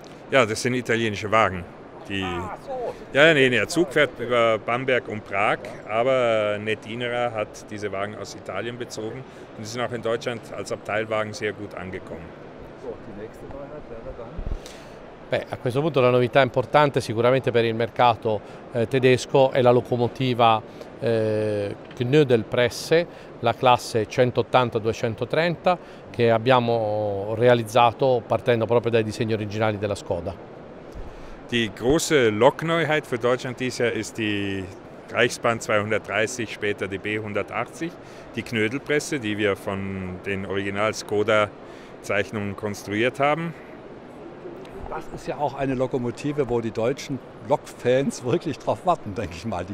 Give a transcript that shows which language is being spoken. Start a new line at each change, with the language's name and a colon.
German: Ja, das sind italienische Wagen. Der Zug fährt über Bamberg und Prag, aber Netinera hat diese Wagen aus Italien bezogen und sie sind auch in Deutschland als Abteilwagen sehr gut angekommen. So, die nächste Neuheit wäre dann?
Italian: Beh, a questo punto la novità importante sicuramente per il mercato tedesco è la locomotiva Knödelpresse, la classe 180-230, che abbiamo realizzato partendo proprio dai disegni originali della Skoda.
German: Die große Lokneuheit für Deutschland dieses Jahr ist die Reichsbahn 230, später die B180, die Knödelpresse, die wir von den Original Skoda Zeichnungen konstruiert haben. Das ist ja auch eine Lokomotive, wo die deutschen Lokfans wirklich drauf warten, denke ich mal.